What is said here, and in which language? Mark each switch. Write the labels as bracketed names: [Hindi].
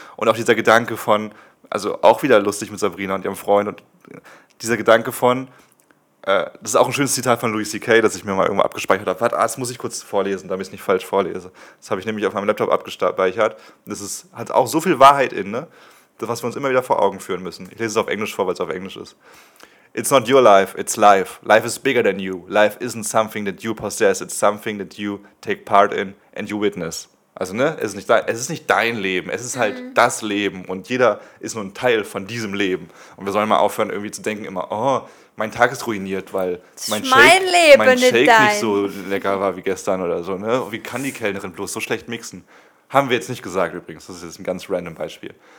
[German] Und auch dieser Gedanke von, also auch wieder lustig mit Sabrina und ihrem Freund, und dieser Gedanke von, das ist auch ein schönes Zitat von Louis C.K., das ich mir mal irgendwo abgespeichert habe. Warte, das muss ich kurz vorlesen, damit ich es nicht falsch vorlese. Das habe ich nämlich auf meinem Laptop abgespeichert. Das ist, hat auch so viel Wahrheit in, ne? Das, was wir uns immer wieder vor Augen führen müssen. Ich lese es auf Englisch vor, weil es auf Englisch ist. [English] It's not your life, it's life. Life is bigger than you. Life isn't something that you possess, it's something that you take part in and you witness. [German] Also, ne, es ist nicht dein Leben, es ist halt das Leben und jeder ist nur ein Teil von diesem Leben. Und wir sollen mal aufhören, irgendwie zu denken immer, oh, mein Tag ist ruiniert, weil mein Shake nicht so lecker war wie gestern oder so, ne? Wie kann die Kellnerin bloß so schlecht mixen? Haben wir jetzt nicht gesagt übrigens, das ist jetzt ein ganz random Beispiel.